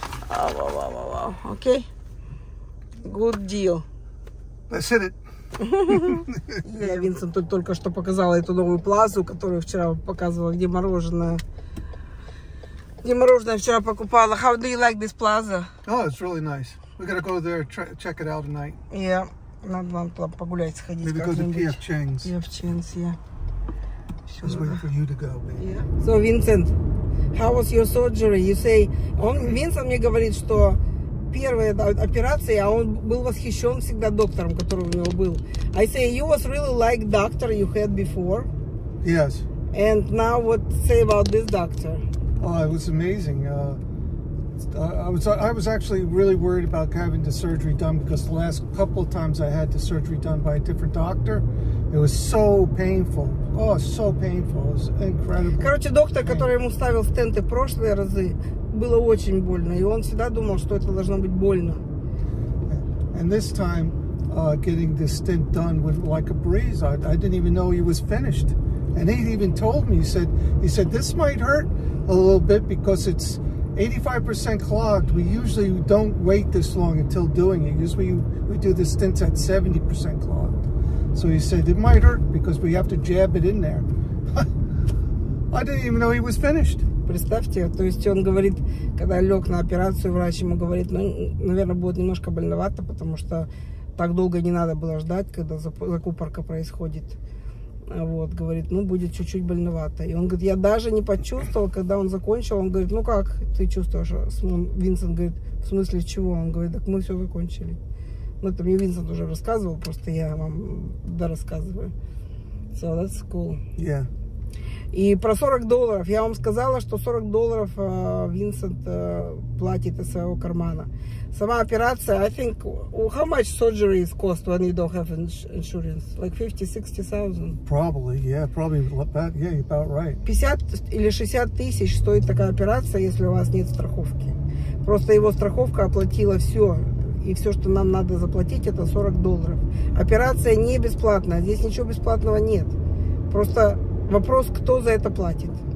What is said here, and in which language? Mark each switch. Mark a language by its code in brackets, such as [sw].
[en] Oh, wow, wow, wow, wow. Окей? Good deal. I said it. [ru] Я Винсенту только что показала эту новую плазу, которую вчера показывала, где мороженое. Где мороженое вчера покупала. [en] How do you like this plaza? Oh, it's really nice. We gotta go there, check it out tonight. Yeah, [ru] надо вам там погулять, сходить. [en] Maybe go to P.F. Chang's. P.F. Chang's, yeah. I was waiting for you to go, baby. Yeah. So, Vincent, how was your surgery? You say, [ru] он, Винсент мне говорит, что первая операция, а он был восхищен всегда доктором, который у него был. [en] I say, you was really like doctor you had before. Yes. And now what say about this doctor? Oh, it was amazing. I was actually really worried about having the surgery done because the last couple of times I had the surgery done by a different doctor, it was so painful. Oh, so painful. It was incredible. [ru] Короче, доктор, который ему ставил стенты в прошлые разы, было очень больно, и он всегда думал, что это должно быть больно. [en] And this time, getting the stent done with like a breeze. I didn't even know he was finished. And he even told me, he said this might hurt a little bit because it's 85% clogged. We usually don't wait this long until doing it. Usually we do the stents at 70% clogged. So he said it might hurt because we have to jab it in there. I didn't even know he was finished. [ru] Представьте, то есть он говорит, когда лег на операцию, врач ему говорит, ну, наверное, будет немножко больновато, потому что так долго не надо было ждать, когда закупорка происходит. Вот, говорит, ну, будет чуть-чуть больновато. И он говорит, я даже не почувствовал, когда он закончил. Он говорит, ну, как ты чувствуешь? Винсент говорит, в смысле чего? Он говорит, так мы все закончили. Ну, это мне Винсент уже рассказывал, просто я вам дорассказываю. [en] So, that's cool. Yeah. [ru] И про $40. Я вам сказала, что $40 Винсент платит из своего кармана. Сама операция, [en] I think, how much surgery is cost when you don't have insurance? Like 50-60 thousand? Probably, yeah, probably, about, yeah, about right. [ru] 50 или 60 тысяч стоит такая операция, если у вас нет страховки. Просто его страховка оплатила все. И все, что нам надо заплатить, это $40. Операция не бесплатная, здесь ничего бесплатного нет. Просто вопрос, кто за это платит?